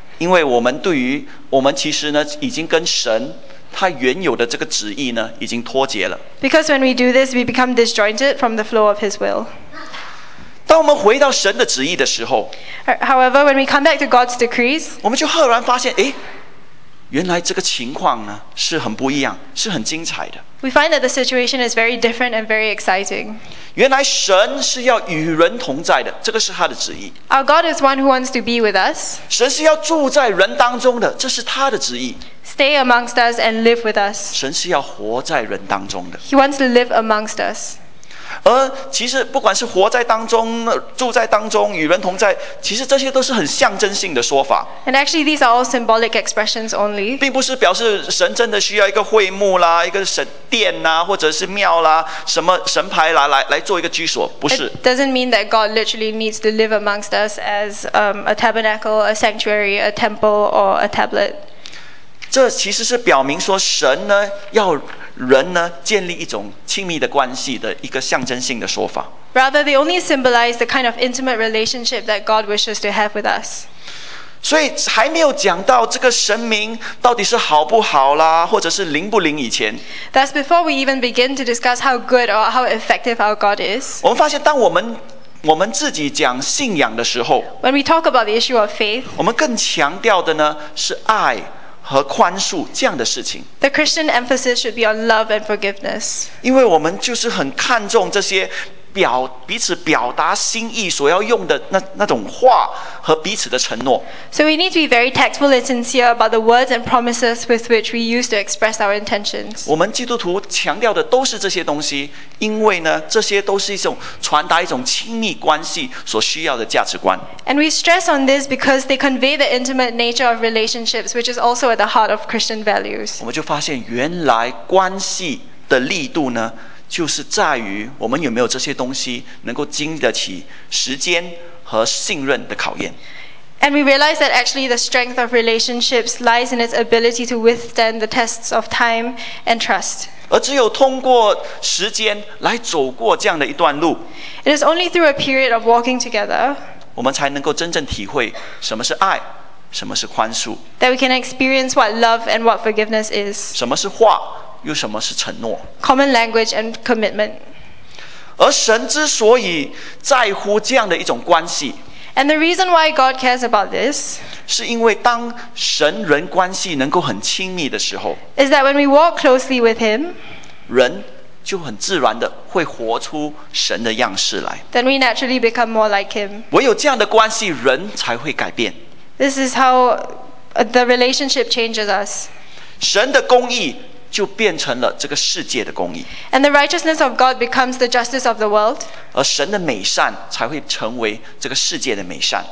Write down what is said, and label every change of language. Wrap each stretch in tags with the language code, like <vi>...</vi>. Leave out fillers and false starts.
<zh>因为我们其实呢已经跟神他原有的这个旨意呢已经脱节了。</zh> <en>Because when we do this, we become disjointed from the flow of his will.</en> <zh>当我们回到神的旨意的时候，</zh> <en>However, when we come back to God's decrees,</en> <zh>我们就赫然发现，诶，原来这个情况呢，是很不一样，是很精彩的。</zh> <en>We find that the situation is very different and very exciting.</en> <zh>原来神是要与人同在的，这个是他的旨意。</zh> <en>Our God is one who wants to be with us.</en> <zh>神是要住在人当中的，这是他的旨意。</zh> <en>Stay amongst us and live with us.</en> <zh>神是要活在人当中的。</zh> <en>He wants to live amongst us.</en> <zh>而其实不管是活在当中住在当中与人同在其实这些都是很象征性的说法</zh> <en>And actually these are all symbolic expressions only</en> <zh>并不是表示神真的需要一个会幕啦一个神殿啦或者是庙啦什么神牌啦 来做一个居所不是</zh> <en>It doesn't mean that God literally needs to live amongst us as a tabernacle, a sanctuary, a temple or a tablet</en> <zh>这其实是表明说神呢要人呢建立一种亲密的关系的一个象征性的说法。</zh> <en>Rather, they only symbolize the kind of intimate relationship that God wishes to have with us.</en> <zh>所以还没有讲到这个神明到底是好不好啦，或者是灵不灵以前。</zh> <en>That's before we even begin to discuss how good or how effective our God is.</en> <zh>我们发现，当我们自己讲信仰的时候</zh> <en>，When we talk about the issue of faith,</en> <zh>我们更强调的呢是爱和宽恕这样的事情。</zh> <en>The Christian emphasis should be on love and forgiveness.</en> <zh>因为我们就是很看重这些彼此表达心意所要用的 那种话和彼此的承诺。</zh> <en>So we need to be very tactful and sincere about the words and promises with which we use to express our intentions.</en> <zh>我们基督徒强调的都是这些东西，因为呢，这些都是一种传达一种亲密关系所需要的价值观。</zh> <en>And we stress on this because they convey the intimate nature of relationships, which is also at the heart of Christian values.</en> <zh>我们就发现，原来关系的力度呢就是在于我们有没有这些东西能够经得起时间和信任的考验。</zh> <en>And we realize that actually the strength of relationships lies in its ability to withstand the tests of time and trust.</en> <zh>而只有通过时间来走过这样的一段路。</zh> <en>It is only through a period of walking together.</en> <zh>我们才能够真正体会什么是爱，什么是宽恕。</zh> <en>That we can experience what love and what forgiveness is.</en> <zh>什么是话，又什么是承诺？</zh> <en>Common language and commitment.</en> <zh>而神之所以在乎这样的一种关系，</zh> <en>And the reason why God cares about this,</en> <zh>是因为当神人关系能够很亲密的时候，</zh> <en>is that when we walk closely with him,</en> <zh>人就很自然的会活出神的样式来。</zh> <en>Then we naturally become more like him.</en> <zh>唯有这样的关系，人才会改变。</zh> <en>This is how the relationship changes us.</en> <zh>神的公义就变成了这个世界的公义。</zh> <en>And the righteousness of God becomes the justice of the world.</en> <zh>而神的美善才会成为这个世界的美善。</zh>